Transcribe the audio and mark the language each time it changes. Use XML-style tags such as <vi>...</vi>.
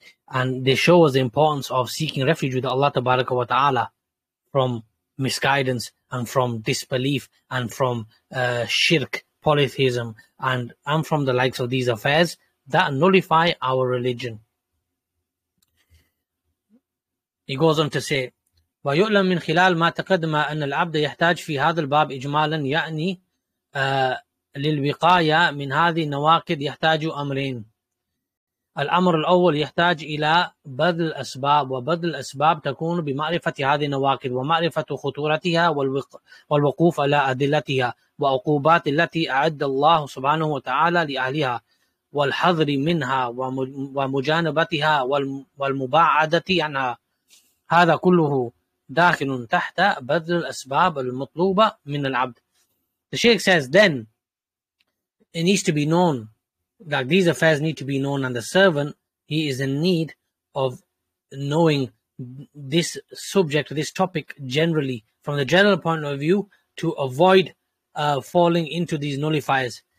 <en>And they show us the importance of seeking refuge with Allah tabaraka wa ta'ala from misguidance and from disbelief and from shirk, polytheism, and from the likes of these affairs that nullify our religion. He goes on to say,</en> <ar>وَيُؤْلَمْ مِنْ خِلَالِ مَا تَقَدْمَا أَنَّ الْعَبْدَ يَحْتَاجْ فِي هَذَا الْبَابِ إِجْمَالًا يَعْنِي لِلْوِقَايَ مِنْ هَذِي النَّوَاكِدْ يَحْتَاجُ أَمْرِينَ. الأمر الأول يحتاج إلى بذل أسباب وبذل أسباب تكون بمعرفة هذه النواقض ومعرفة خطورتها والوقوف على أدلتها وعقوبات التي أعد الله سبحانه وتعالى لأهلها والحذر منها ومجانبتها والمباعدة عنها. هذا كله داخل تحت بذل الأسباب المطلوبة من العبد.</ar> <en>The Shaykh says, then it needs to be known, like these affairs need to be known, and the servant, he is in need of knowing this subject, this topic generally, from the general point of view, to avoid falling into these nullifiers.</en>